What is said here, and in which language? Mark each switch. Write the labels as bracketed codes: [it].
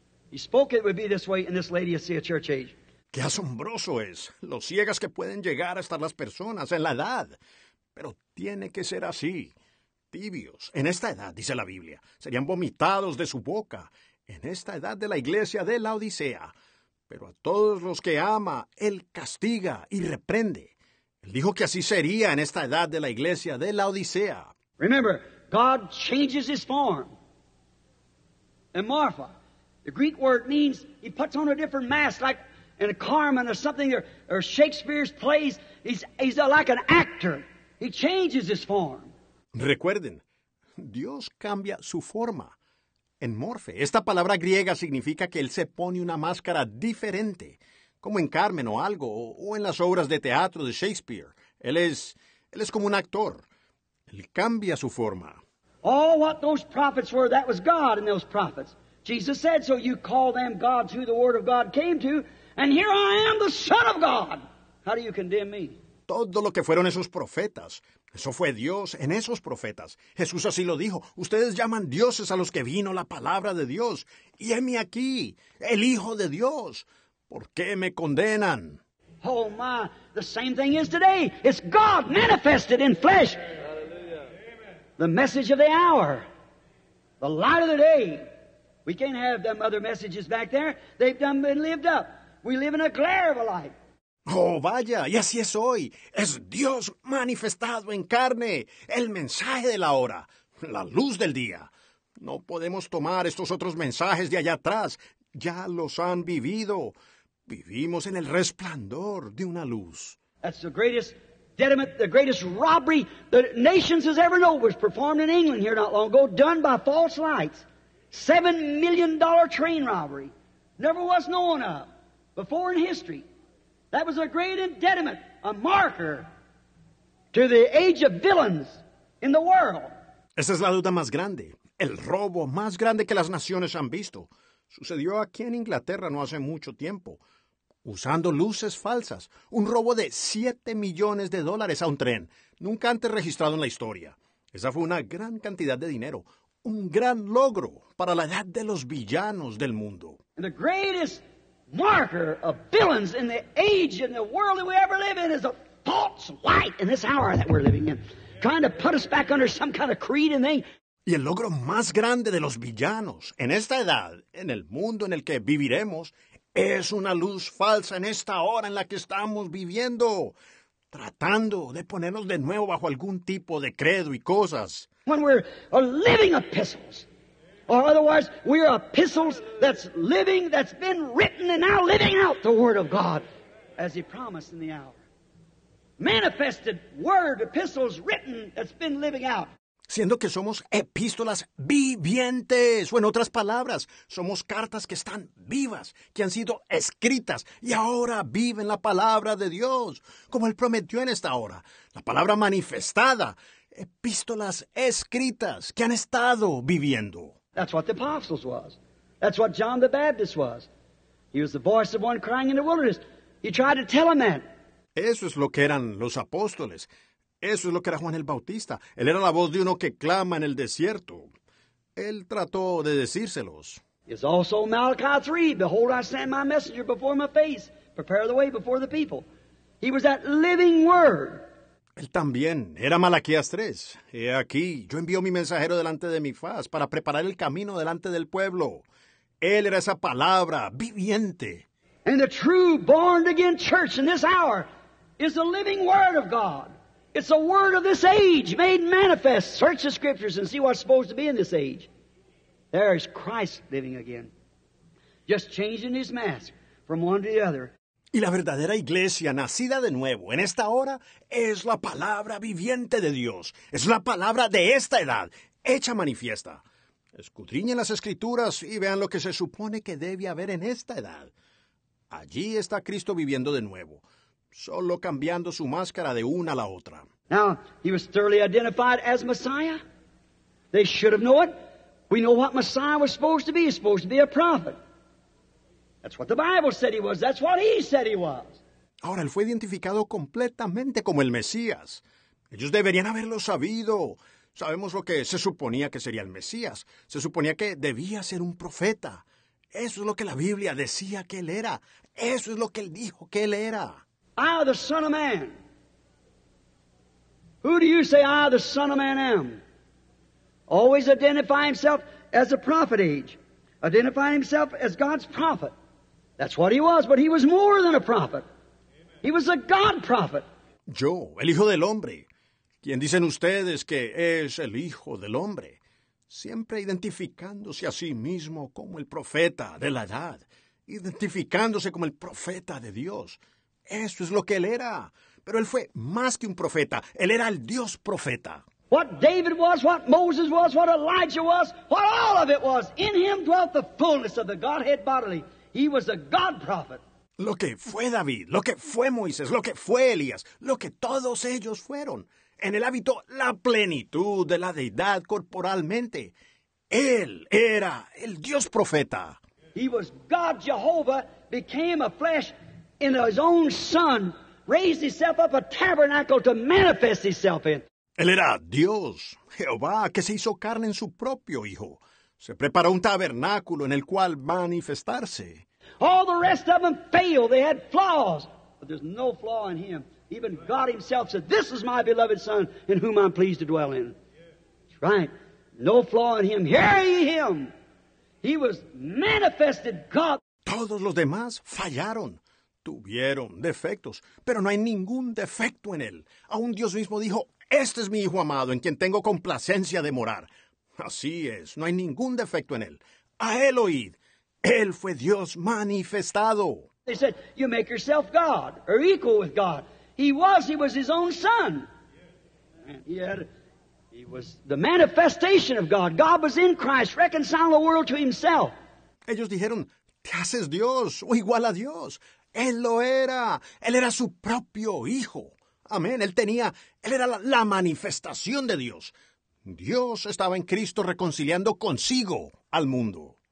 [en] He spoke it would be this way, and this lady will see a church age. [es] ¡Qué asombroso es! Los ciegas que pueden llegar a estar las personas en la edad. Pero tiene que ser así. Tibios, en esta edad, dice la Biblia, serían vomitados de su boca. En esta edad de la iglesia de la Odisea. Pero a todos los que ama, Él castiga y reprende. Él dijo que así sería en esta edad de la iglesia de la Odisea. [en] Remember, God changes His form. And Marfa, the Greek word means He puts on a different mask, like in a Carmen or something, or Shakespeare's plays, he's like an actor. He changes his form. [es] Recuerden, Dios cambia su forma. En Morfe, esta palabra griega significa que Él se pone una máscara diferente, como en Carmen o algo, o en las obras de teatro de Shakespeare. Él es como un actor. Él cambia su forma. [en] All what those prophets were, that was God in those prophets. Jesus said, so you call them gods who the word of God came to, and here I am, the Son of God. How do you condemn me? [es] Todo lo que fueron esos profetas, eso fue Dios en esos profetas. Jesús así lo dijo. Ustedes llaman dioses a los que vino la palabra de Dios. Y heme aquí, el Hijo de Dios. ¿Por qué me condenan? [en] Oh, my. The same thing is today. It's God manifested in flesh. Hallelujah. The message of the hour. The light of the day. We can't have them other messages back there. They've done been lived up. We live in a glare of a light. [es] Oh, vaya, y así es hoy. Es Dios manifestado en carne, el mensaje de la hora, la luz del día. No podemos tomar estos otros mensajes de allá atrás. Ya los han vivido. Vivimos en el resplandor de una luz. [en] That's the greatest detriment, the greatest robbery the nations has ever known was performed in England here not long ago, done by false lights. $7 million train robbery. Never was known of. Before in history, that was a great indictment, a marker to the age of villains in the world. [es] Esa es la duda más grande, el robo más grande que las naciones han visto. Sucedió aquí en Inglaterra no hace mucho tiempo, usando luces falsas. Un robo de $7 millones a un tren, nunca antes registrado en la historia. Esa fue una gran cantidad de dinero, un gran logro para la edad de los villanos del mundo. [en] And the greatest marker of villains in the age and the world that we ever live in is a false light in this hour that we're living in, trying to put us back under some kind of creed and thing. [es] Y el logro más grande de los villanos en esta edad, en el mundo en el que viviremos, es una luz falsa en esta hora en la que estamos viviendo, tratando de ponernos de nuevo bajo algún tipo de credo y cosas. [en] When we're living epistles. Or otherwise, we are epistles that's living, that's been written, and now living out the Word of God, as He promised in the hour. Manifested Word, epistles written, that's been living out. [es] Siendo que somos epístolas vivientes, o en otras palabras, somos cartas que están vivas, que han sido escritas, y ahora viven la Palabra de Dios, como Él prometió en esta hora, la Palabra manifestada, epístolas escritas, que han estado viviendo. [en] That's what the apostles was. That's what John the Baptist was. He was the voice of one crying in the wilderness. He tried to tell him that. [es] Eso es lo que eran los apóstoles. Eso es lo que era Juan el Bautista. Él era la voz de uno que clama en el desierto. Él trató de decírselos. [en] It's also Malachi 3. Behold, I send my messenger before my face. Prepare the way before the people. He was that living word. [es] Él también era Malaquías 3. He aquí, yo envío mi mensajero delante de mi faz para preparar el camino delante del pueblo. Él era esa palabra viviente. [en] And the true born again church in this hour is the living word of God. It's the word of this age made manifest. Search the scriptures and see what's supposed to be in this age. There is Christ living again. Just changing his mask from one to the other. [es] Y la verdadera iglesia nacida de nuevo en esta hora es la palabra viviente de Dios. Es la palabra de esta edad, hecha manifiesta. Escudriñen las escrituras y vean lo que se supone que debe haber en esta edad. Allí está Cristo viviendo de nuevo, solo cambiando su máscara de una a la otra. [en] Now, he was thoroughly identified as Messiah. They should have known it. We know what Messiah was supposed to be. He's supposed to be a prophet. That's what the Bible said he was. That's what he said he was. [es] Ahora, él fue identificado completamente como el Mesías. Ellos deberían haberlo sabido. Sabemos lo que se suponía que sería el Mesías. Se suponía que debía ser un profeta. Eso es lo que la Biblia decía que él era. Eso es lo que él dijo que él era. [en] I, the Son of Man. Who do you say I, the Son of Man, am? Always identify himself as a prophet age. Identify himself as God's prophet. That's what he was, but he was more than a prophet. He was a God prophet. [es] Yo, el Hijo del Hombre. ¿Quién dicen ustedes que es el Hijo del Hombre? Siempre identificándose a sí mismo como el profeta de la edad. Identificándose como el profeta de Dios. Eso es lo que él era. Pero él fue más que un profeta. Él era el Dios profeta. [en] What David was, what Moses was, what Elijah was, what all of it was. In him dwelt the fullness of the Godhead bodily. He was a God prophet. [es] Lo que fue David, lo que fue Moisés, lo que fue Elías, lo que todos ellos fueron. En él habitó la plenitud de la deidad corporalmente. Él era el Dios profeta. [en] He was God Jehovah, became a flesh in his own son, raised himself up a tabernacle to manifest himself in. [es] Él era Dios, Jehová, que se hizo carne en su propio Hijo. Se preparó un tabernáculo en el cual manifestarse. [en] All the rest of them failed. They had flaws. But there's no flaw in him. Even God himself said, this is my beloved Son in whom I'm pleased to dwell in. That's right. No flaw in him. Hear ye him. He was manifested God. [es] Todos los demás fallaron. Tuvieron defectos. Pero no hay ningún defecto en él. Aún Dios mismo dijo, este es mi Hijo amado en quien tengo complacencia de morar. Así es. No hay ningún defecto en él. A él oíd. Él fue Dios manifestado. [en] They said, you make yourself God or equal with God. He was his own son. And he was the manifestation of God. God was in Christ, reconciling the world to himself. [es] Ellos dijeron, te haces Dios o igual a Dios. Él lo era. Él era su propio Hijo. Amén. Él era la manifestación de Dios. Dios estaba en Cristo reconciliando consigo al mundo.